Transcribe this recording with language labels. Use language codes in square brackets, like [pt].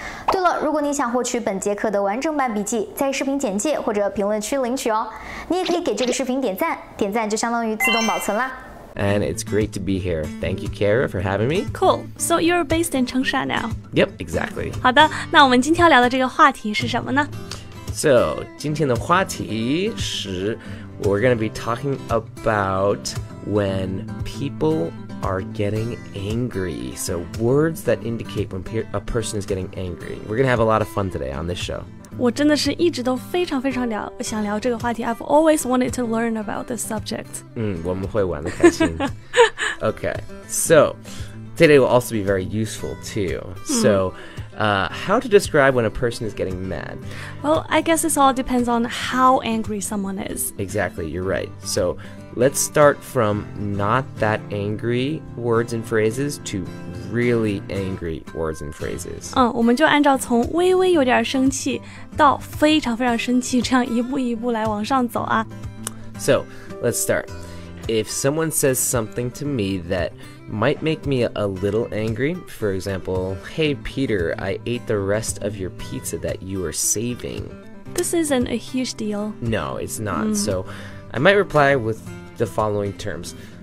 [zh] 对了，如果你想获取本节课的完整版笔记，在视频简介或者评论区领取哦。你也可以给这个视频点赞，点赞就相当于自动保存啦。 [en] And it's great to be here. Thank you, Kara, for having me. Cool. So you're based in Changsha now. Yep, exactly. [zh] 好的，那我们今天要聊的这个话题是什么呢？ [en] So, [zh] 今天的话题是 [en] we're going to be talking about when people are getting angry. So words that indicate when a person is getting angry. We're going to have a lot of fun today on this show. [zh] 我真的是一直都非常非常想聊这个话题 [en] I've always wanted to learn about this subject [zh] 我们会玩得开心 [en] Okay, so today will also be very useful too So, how to describe when a person is getting mad? Well, I guess this all depends on how angry someone is Exactly, you're right So, let's start from not that angry words and phrases toreally angry words and phrases. [zh] 我们就按照从微微有点生气到非常非常生气这样一步一步来往上走啊。 [en] So, let's start. If someone says something to me that might make me a little angry, for example, Hey Peter, I ate the rest of your pizza that you were saving. This isn't a huge deal. No, it's not. Mm. So, I might reply with the following terms.